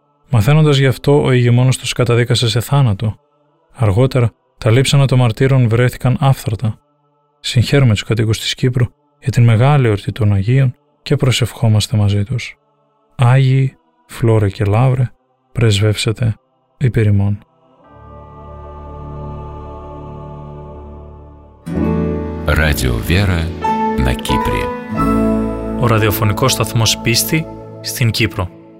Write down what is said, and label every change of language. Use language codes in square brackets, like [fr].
[el] Μαθαίνοντας γι' αυτό, ο ηγεμόνος τους καταδίκασε σε θάνατο. Αργότερα, τα λείψανα των μαρτύρων βρέθηκαν άφθαρτα. Συγχαίρουμε τους κατοίκους της Κύπρου για την μεγάλη εορτή των Αγίων και προσευχόμαστε μαζί τους. Άγιοι, Φλόρε και Λαύρε, πρεσβεύσετε υπέρ ημών. [ru] Ράδιο Βέρα на Кипре. [el] Ο ραδιοφωνικός σταθμός πίστη στην Κύπρο.